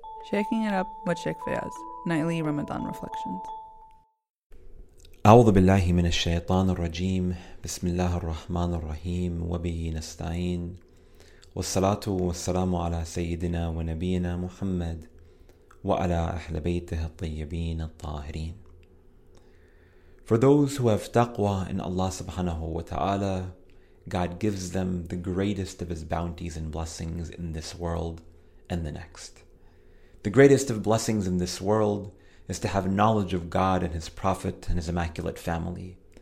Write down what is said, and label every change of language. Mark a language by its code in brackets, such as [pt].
[en] Shaking it up with Sheikh Fayaz, nightly Ramadan reflections. [ar] أعوذ بالله من الشيطان الرجيم بسم الله الرحمن الرحيم وبه نستعين والصلاة والسلام على سيدنا ونبينا محمد وعلى أهل بيته الطيبين الطاهرين. [en] For those who have taqwa in Allah subhanahu wa ta'ala, God gives them the greatest of His bounties and blessings in this world and the next. The greatest of blessings in this world is to have knowledge of God and His Prophet and His Immaculate Family.